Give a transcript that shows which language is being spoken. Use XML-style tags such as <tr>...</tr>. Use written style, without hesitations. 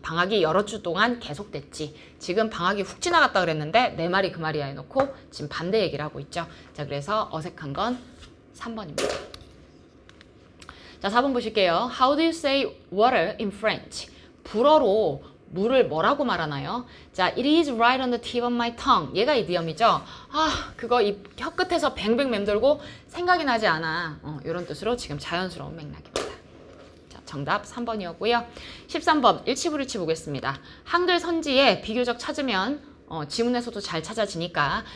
<ko>방학이 여러 주 동안 계속됐지. 지금 방학이 훅 지나갔다 그랬는데 내 말이 그 말이야 해놓고 지금 반대 얘기를 하고 있죠. 자, 그래서 어색한 건 3번입니다. 자, 4번 보실게요.</ko> <en>How do you say water in French?</en> <ko>불어로 물을 뭐라고 말하나요?</ko> <en>자, it is right on the tip of my tongue.</en> <ko>얘가 이디엄이죠. 아, 그거 입 혀끝에서 뱅뱅 맴돌고 생각이 나지 않아. 이런 뜻으로 지금 자연스러운 맥락입니다. 자, 정답 3번이었고요. 13번 일치불일치 보겠습니다. 한글 선지에 비교적 찾으면 지문에서도 잘 찾아지니까.</ko>